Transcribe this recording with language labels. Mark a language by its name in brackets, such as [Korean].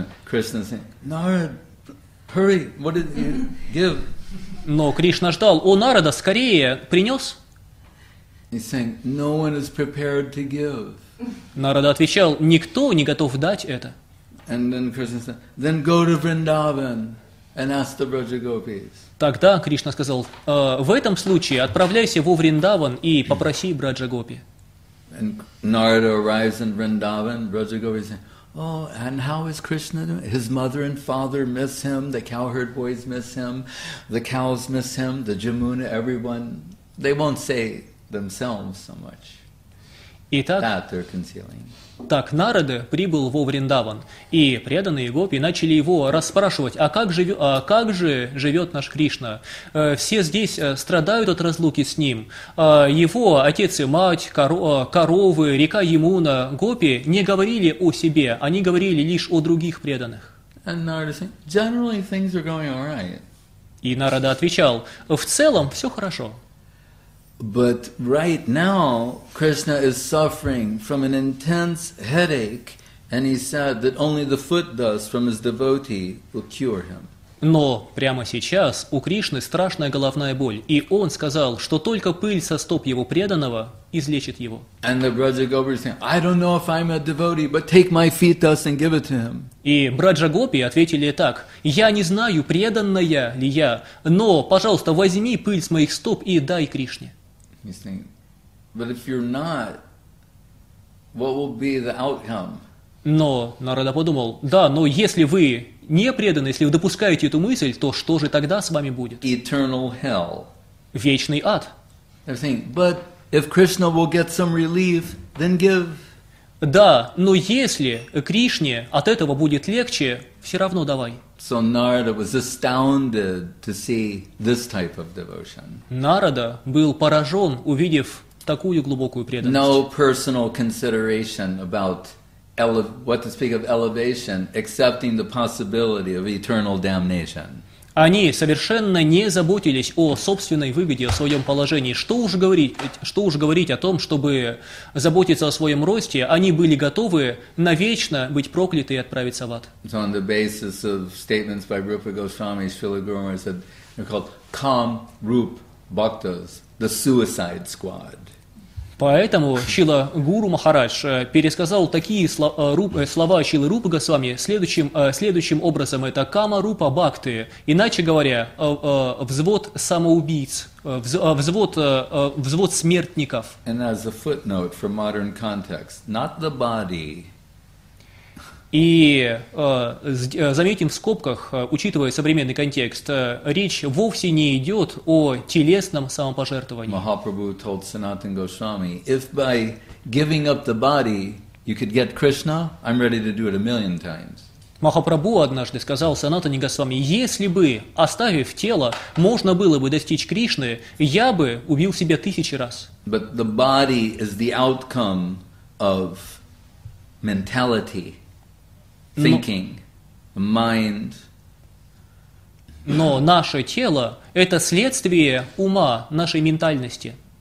[English] Krishna saying, Narada, hurry, what did you give? [Russian] Но Кришна ждал, о, Нарада, скорее, принес? [English] He's saying, no one is prepared to give. [Russian] Нарада отвечал, никто не готов дать это. [English] And then Krishna said, then go to Vrindavan and ask the Brajagopis. [Russian] Тогда Кришна сказал, в этом случае отправляйся во Вриндаван и попроси Браджагопи. [English] And Narada arrives in Vrindavan, Brajagopis saying, oh, and how is Krishna doing? His mother and father miss him, the cowherd boys miss him, the cows miss him, the Jamuna, everyone. They won't say themselves so much. [Russian] Итак, [English] that they're concealing. [Russian] Так Нарада прибыл во Вриндаван, и преданные гопи начали его расспрашивать, а как же живет наш Кришна? Все здесь страдают от разлуки с ним. Его отец и мать, коровы, река Ямуна, гопи не говорили о себе, они говорили лишь о других преданных. [English] And Narada said, generally things are going all right. [Russian] И Нарада отвечал, в целом все хорошо. [English] But right now, Krishna is suffering from an intense headache, and he said that only the foot dust from his devotee will cure him. [Russian] Но прямо сейчас у Кришны страшная головная боль, и он сказал, что только пыль со стоп его преданного излечит его. [English] And the Braja Gopi said, I don't know if I'm a devotee, but take my feet dust and give it to him. [Russian] И Браджа Гопи ответили так: я не знаю, преданная ли я, но, пожалуйста, возьми пыль с моих стоп и дай Кришне. [English] He's thinking, but if you're not, what will be the outcome? [Russian] Но Нарада подумал, да, но если вы не преданы, если вы допускаете эту мысль, то что же тогда с вами будет? [English] Eternal hell. [Russian] Вечный ад. [English] But if Krishna will get some relief, then give. [Russian] Да, но если Кришне от этого будет легче, все равно давай. [English] So Narada was astounded to see this type of devotion. [Russian] Нарада был поражен, увидев такую глубокую преданность. [English] No personal consideration about what to speak of elevation, accepting the possibility of eternal damnation. [Russian] Они совершенно не заботились о собственной выгоде, о своем положении. Что уж говорить о том, чтобы заботиться о своем росте, они были готовы навечно быть прокляты и отправиться в ад. [English] So on the basis of statements by Rupa Goswami, Srila Guru Maharaj said, they're called Kam Rup Bhaktas, the suicide squad. [Russian] Поэтому Шрила Гуру Махарадж пересказал такие слова Шрилы Рупы Госвами следующим образом. Это Кама Рупа Бхакты, иначе говоря, взвод самоубийц, взвод смертников. [English] And as a footnote for modern context, not the body. [Russian] И заметим в скобках, учитывая современный контекст, речь вовсе не идет о телесном самопожертвовании. [English] Махапрабху told Sanatana Goswami, if by giving up the body you could get Krishna, I'm ready to do it a million times. [Russian] Махапрабху однажды сказал Санатане Госвами, если бы, оставив тело, можно было бы достичь Кришны, я бы убил себя тысячи раз. [English] But the body is the outcome of mentality. Thinking, mind. [Russian] Но наше тело – это следствие ума, нашей ментальности.